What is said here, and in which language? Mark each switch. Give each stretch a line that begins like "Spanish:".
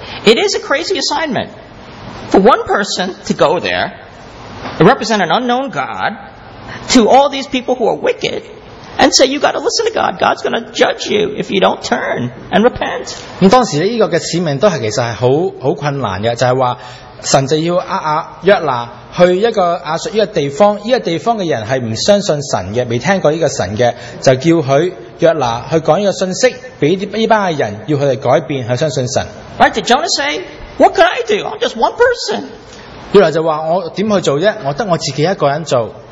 English: It is a crazy assignment for one person to go there, represent an unknown God, to all these people who are wicked, and say, you've got to listen to God. God's going to judge you if you don't turn and repent.
Chinese: 当时这个使命都是其实是很困难的，就是说， 神就要约拿去一个亚述这个地方，这个地方的人是不相信神的，未听过这个神的，就叫他约拿去讲这个信息，给这帮人要他们改变，去相信神。
English: Right, did Jonah say, what could I do? I'm just one person.
Chinese: 约拿就说，我怎么去做呢？我只有我自己一个人做。